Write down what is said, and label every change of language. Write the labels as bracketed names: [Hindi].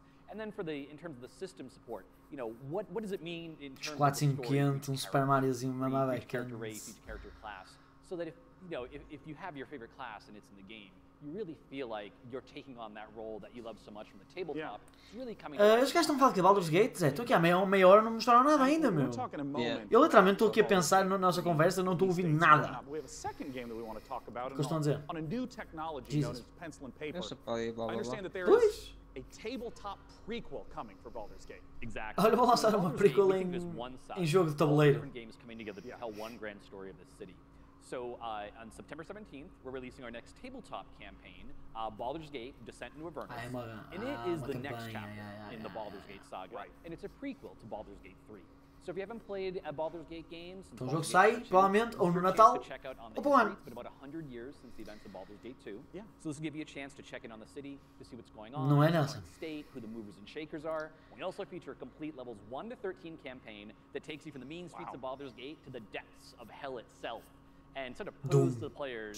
[English] And then for the in terms of the system support, you know, what does it mean in terms of the story, each character race, each character class, so that if you know if you have your favorite class and it's in the game, you really feel like you're taking on that role that you love so much from the tabletop. Yeah. Really coming. [Portuguese] Eles gastam falar que Baldur's Gate, estou aqui há meia hora, não mostraram nada ainda, meu. [English] Yeah. [Portuguese] Eu literalmente estou aqui a pensar na nossa conversa, não estou ouvindo nada. [English] We have a second game that we want to talk about. [Portuguese] Que estão a dizer? [English] On a new technology known as pencil and paper. [Portuguese] Pois. [English] A tabletop prequel coming for Baldur's Gate. Exactly. [Portuguese] Olha, vou lançar uma prequel em jogo de tabuleiro. [English] Games coming together to tell one grand story of this city. So, on September 17th, we're releasing our next tabletop campaign, Baldur's Gate: Descent into Avernus. And it is the next chapter in the Baldur's Gate saga. Right. And it's a prequel to Baldur's Gate 3. So if you haven't played Baldur's Gate games, [Portuguese] então o jogo sai provavelmente ou no Natal ou para o ano. [English] It's been about 100 years since the events of Baldur's Gate 2. Yeah. So this will give you a chance to check in on the city to see what's going on. [Portuguese] Não é nessa. [English] State who the movers and shakers are. We also feature a complete levels 1 to 13 campaign that takes you from the mean streets of Baldur's Gate to the depths of hell itself. And sort of pose to the players.